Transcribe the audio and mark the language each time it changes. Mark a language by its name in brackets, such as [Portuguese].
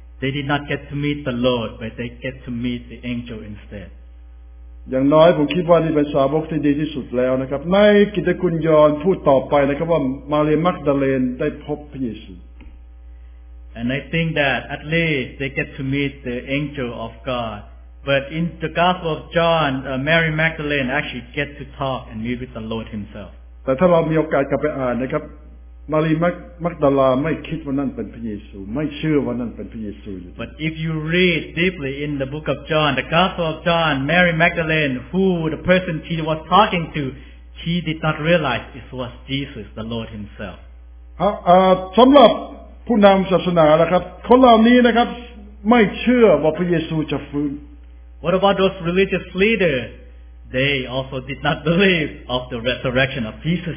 [English] t They did not get to meet the Lord, but they get to meet the angel instead. [Thai] อย่างน้อยผมคิดว่านี่เป็นสาวกที่ดีที่สุดแล้วนะครับในกิตติคุณยอห์นพูดต่อไปนะครับว่ามาเรียมักดาเลนได้พบพระเยซู [English] And I think that at least they get to meet the angel of God. But in the Gospel of John, Mary Magdalene actually get to talk and meet with the Lord himself. [Thai] แต่ถ้าเรามีโอกาสกลับไปอ่านนะครับมารีมักดาลาไม่คิดว่านั่นเป็นพระเยซูไม่เชื่อว่านั่นเป็นพระเยซูอยู่ [English] But if you read deeply in the book of John, the Gospel of John, Mary Magdalene, who the person she was talking to, she did not realize it was Jesus, the Lord himself. [Thai] สำหรับผู้นำศาสนานะครับคนเหล่านี้นะครับไม่เชื่อว่าพระเยซูจะฟื้น [English] What about those religious leaders? They also did not believe of the resurrection of Jesus.